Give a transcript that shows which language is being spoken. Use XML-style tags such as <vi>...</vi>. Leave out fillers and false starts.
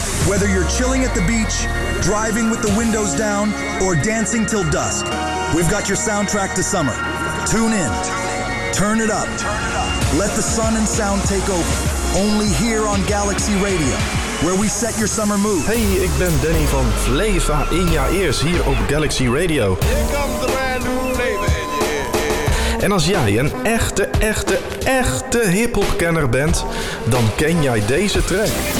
<en>Whether you're chilling at the beach, driving with the windows down, or dancing till dusk, we've got your soundtrack to summer. Tune in. Turn it up. Let the sun and sound take over. Only here on Galaxy Radio, where we set your summer mood.</en> <nl>Hey, ik ben Danny van Flava in jouw ears hier op Galaxy Radio.</nl> <en>Here comes the brand new flavor in your ears.</en> <nl>En als jij een echte hip-hop kenner bent, dan ken jij deze track.</nl>